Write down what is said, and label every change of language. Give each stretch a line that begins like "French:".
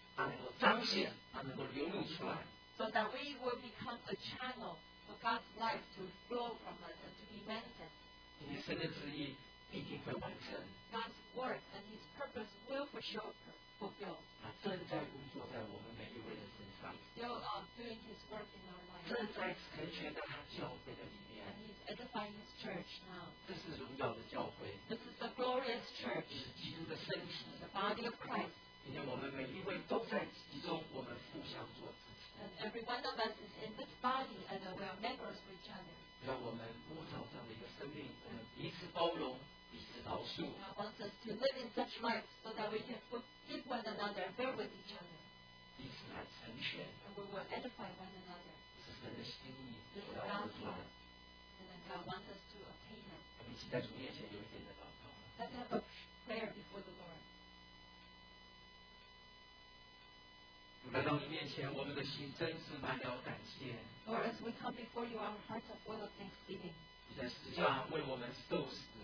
Chinese: 今天主的生命在我们身上能够有一个一点，它能够彰显，它能够流露出来。
English: So that we will become a channel for God's life to flow from us and to be manifested.
Chinese: 今天神的旨意必定会完成。
English: God's work and His purpose will for sure fulfill.
Chinese: 他正在工作在我们每一位的身上,
English: He's still doing His work in our lives.
Chinese: 正在成全在他教会的里面,
English: and He's edifying His church now.
Chinese: 这是荣耀的教会,
English: this is the glorious church.
Chinese: 这是基督的身体,
English: the body of Christ.
Chinese: 今天我们每一位都在其中, 我们互相做支持,
English: and every one of us is in this body and we are members of each other.
Chinese: 让我们摸着这样的一个生命, 我们彼此包容,
English: God wants us to live in such life so that we can forgive one another and bear with each other. And we will edify one another. This is God's heart. And then God wants us to obtain it. Let's have a prayer before the Lord.
Chinese: 来到你面前，我们的心真是满了感谢。
English: Lord, as we come before you, our hearts are full of thanksgiving.
Chinese: 你在十字架为我们受死。